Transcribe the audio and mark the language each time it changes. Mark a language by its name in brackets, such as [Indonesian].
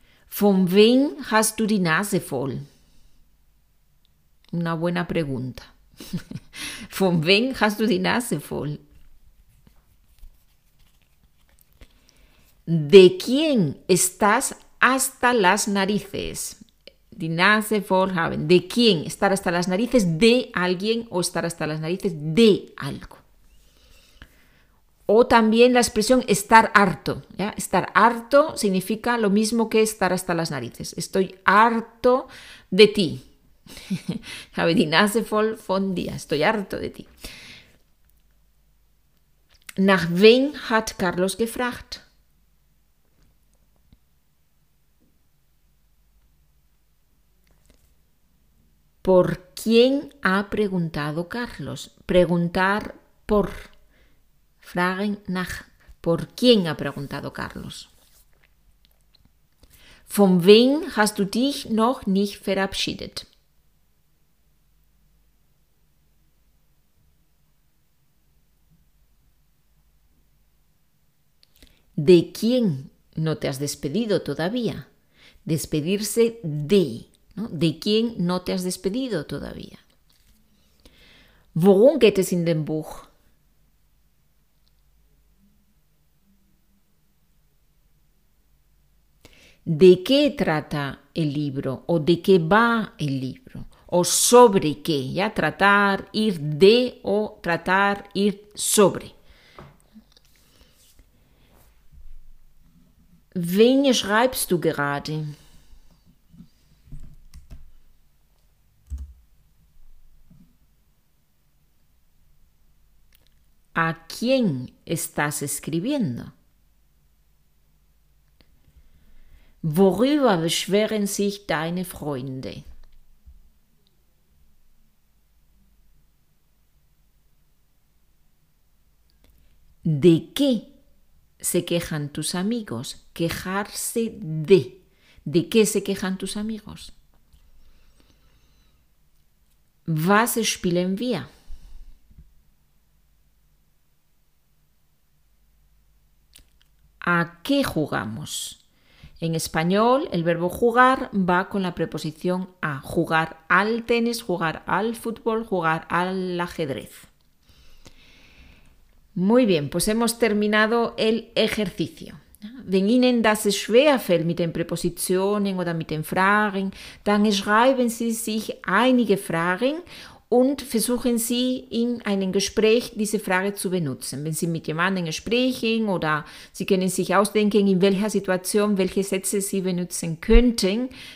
[German] ¿Von wem hast du die Nase voll? [Spanish] Una buena pregunta. [German] ¿Von wem hast du die Nase voll? [Spanish] ¿De quién estás hasta las narices? [German] Die Nase voll haben. [Spanish] ¿De quién estar hasta las narices? ¿De alguien o estar hasta las narices de algo? O también la expresión estar harto. ¿Ya? Estar harto significa lo mismo que estar hasta las narices. Estoy harto de ti. [German] Habe die Nase voll von dir. [Spanish] Estoy harto de ti. [German] ¿Nach wen hat Carlos gefragt? [Spanish] ¿Por quién ha preguntado Carlos? Preguntar por. [German] Fragen nach. [Spanish] ¿Por quién ha preguntado Carlos? [German] ¿Von wem hast du dich noch nicht verabschiedet? [Spanish] ¿De quién no te has despedido todavía? Despedirse de. ¿De quién no te has despedido todavía? [German] ¿Worum geht es in dem Buch? [Spanish] ¿De qué trata el libro? ¿O de qué va el libro? ¿O sobre qué? ¿Ya? Tratar, ir de o tratar, ir sobre. [German] ¿Wen schreibst du gerade? [Spanish] ¿A quién estás escribiendo? [German] ¿Worüber beschweren sich deine Freunde? [Spanish] ¿De qué se quejan tus amigos? Quejarse de. ¿De qué se quejan tus amigos? [German] ¿Was spielen wir? [Spanish] ¿A qué jugamos? En español, el verbo jugar va con la preposición a. Jugar al tenis, jugar al fútbol, jugar al ajedrez. Muy bien, pues hemos terminado el ejercicio. [German] Wenn Ihnen das schwerfällt mit den Präpositionen oder mit den Fragen, dann schreiben Sie sich einige Fragen und versuchen Sie in einem Gespräch diese Frage zu benutzen. Wenn Sie mit jemandem sprechen oder Sie können sich ausdenken, in welcher Situation welche Sätze Sie benutzen könnten.